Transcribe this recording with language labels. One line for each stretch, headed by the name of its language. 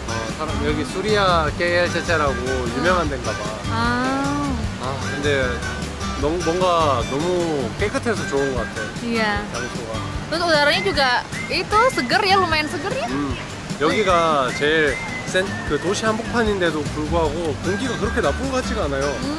Indonesian: Sekarang
Korean: 여기 수리야 KLCC라고 유명한 데인가 봐. 아. 아, 근데 너무 뭔가 너무 깨끗해서 좋은 것 같아. 이야. 장소가. 근데
Indonesian: udaranya juga itu seger ya, lumayan seger ya?
Korean: 여기가 제일 센 그 도시 한복판인데도 불구하고 공기가 그렇게 나쁜 것 같지가 않아요.